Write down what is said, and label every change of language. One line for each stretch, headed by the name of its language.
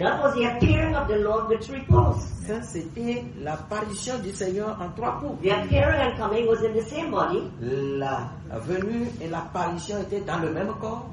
English: That was the appearing of the Lord with three poles.
French: Ça, c'était l'apparition du Seigneur en trois poles.
English: The appearing and coming was in the same body.
French: La venue et l'apparition étaient dans le même corps.